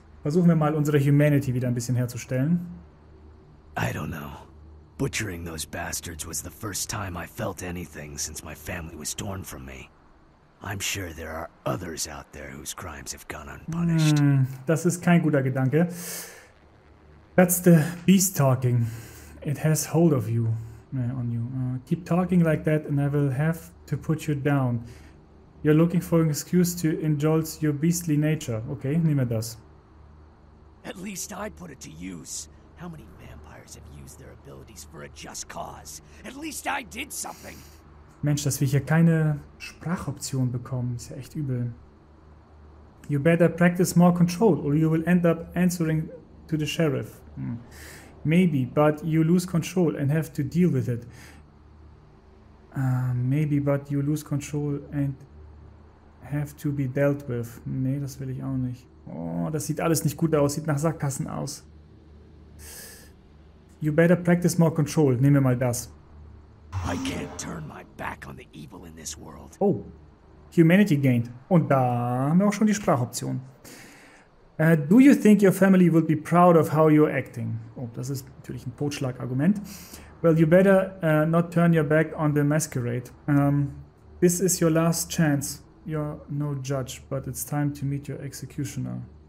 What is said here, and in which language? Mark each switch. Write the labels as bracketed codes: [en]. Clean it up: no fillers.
[de] Versuchen wir mal, unsere Humanity wieder ein bisschen herzustellen. [en] I don't know. Butchering those bastards was the first time I felt anything since my family was torn from me. I'm sure there are others out there whose crimes have gone unpunished. [de] Das ist kein guter Gedanke. [en] That's the beast talking. It has hold of you. On you. Keep talking like that and I will have to put you down. You're looking for an excuse to indulge your beastly nature. [de] Okay, nehmen wir das. [en] At least I put it to use. How many vampires have used their abilities for a just cause? At least I did something. [de] Mensch, dass wir hier keine Sprachoption bekommen, ist ja echt übel. [en] You better practice more control or you will end up answering to the sheriff. Maybe, but you lose control and have to deal with it. [de] Nee, das will ich auch nicht. Oh, das sieht alles nicht gut aus, sieht nach Sackgassen aus. [en] You better practice more control, [de] nehmen wir mal das. [en] I can't turn my back on the evil in this world. Oh, humanity gained. [de] Und da haben wir auch schon die Sprachoption. [en] Do you think your family would be proud of how you're acting? [de] Oh, das ist natürlich ein Totschlagargument. [en] Well, you better not turn your back on the masquerade. This is your last chance. You're no judge, but it's time to meet your executioner.